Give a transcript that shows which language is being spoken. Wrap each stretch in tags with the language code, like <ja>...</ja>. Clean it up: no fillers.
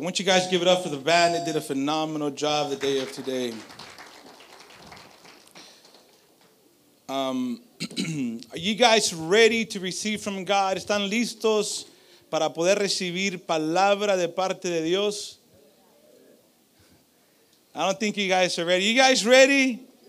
<en>Won't you guys give it up for the band? They did a phenomenal job the day of today. Are you guys ready to receive from God?</en> <es>¿Están listos para poder recibir palabra de parte de Dios?</es> <en>I don't think you guys are ready. You guys ready?</en>